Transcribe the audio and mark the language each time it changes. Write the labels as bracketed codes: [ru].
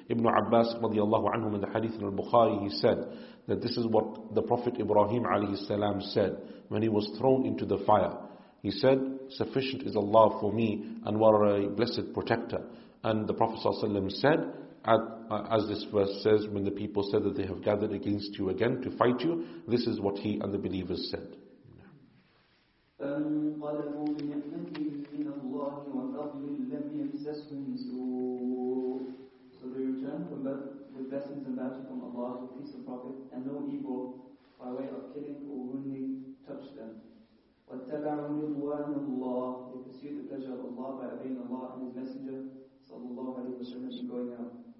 [en] Ibn Abbas radiallahu anhu in the hadith in al-Bukhari, he said that this is what the Prophet Ibrahim ﷺ said when he was thrown into the fire. He said, "Sufficient is Allah for me, and what a blessed protector." And the Prophet ﷺ said, as this verse says, when the people said that they have gathered against you again to fight you, this is what he and the believers said. [ar] فانقلبوا بنعمه من الله وفضل لم يمسسهم سوء. [en] So they returned from with blessings and bounty from Allah, the peace of Prophet, and no evil by way of killing or wounding touched them. [ar] واتبعوا رضوان الله. [en] They pursued the pleasure of Allah by obeying Allah and His Messenger, [ar] صلى الله عليه وسلم, [en] and going out.